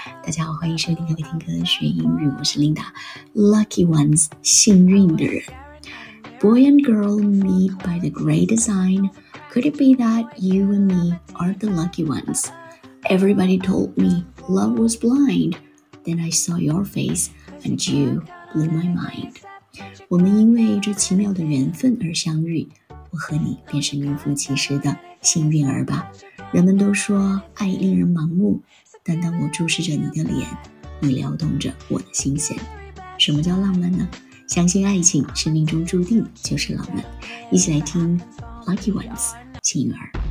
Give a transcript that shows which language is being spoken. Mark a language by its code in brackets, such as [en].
[zh] 大家好，欢迎收听各位听歌学英语，我是 Linda。Lucky Ones 幸运的人。 [en] Boy and girl meet by the great design. Could it be that you and me are the lucky ones? Everybody told me love was blind. Then I saw your face and you blew my mind. [zh] 我们因为这奇妙的缘分而相遇，我和你便是名副其实的幸运儿吧。人们都说爱令人盲目，但当我注视着你的脸，你撩动着我的心弦。什么叫浪漫呢？相信爱情是命中注定，就是浪漫。一起来听 Lucky Ones 幸运儿。